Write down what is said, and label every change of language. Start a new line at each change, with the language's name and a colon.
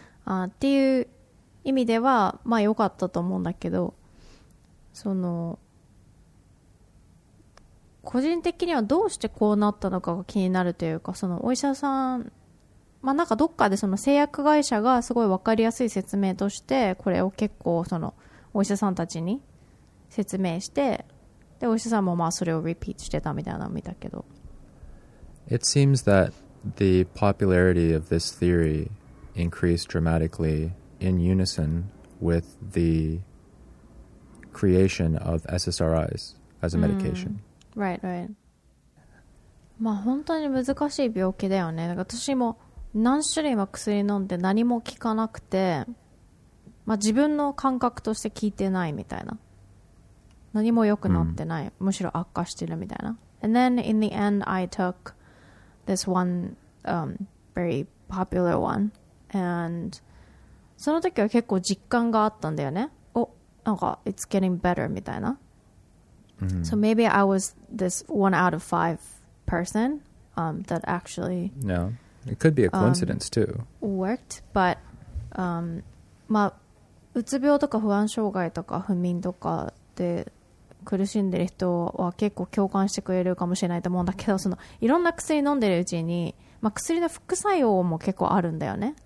Japanese: あっていう意味ではまあ良かったと思うんだけど、その個人的にはどうしてこうなったのかが気になるというか、そのお医者さん、まあなんかどっかでその製薬会社がすごい分かりやすい説明として、これを結構そのお医者さんたちに説明して、でお医者さんもまあそれをリピートしてたみたいなの見たけど、
English: It seems thatThe popularity of this theory increased dramatically in unison with the creation of SSRIs as a medication. Right, right.
Japanese: まあ本当に難しい病気だよね。だから私も何種類も薬飲んで何も効かなくて、まあ自分の感覚として効いてないみたいな。何も良くなってない。むしろ悪化してるみたいな。
English: And then in the end, I took this one. Very popular one. And
Japanese: その時は結構実感があったんだよね。お、なんか
English: it's getting better
Japanese: みたいな。
English: So maybe I was this one out of five person that actually No. It could be a coincidence too. Worked, but
Japanese: まあうつ病とか不安障害とか不眠とかで苦しんでる人は結構共感してくれるかもしれないと思うんだけど、そのいろんな薬飲んでるうちに、まあ、薬の副作用も結構あるんだよね。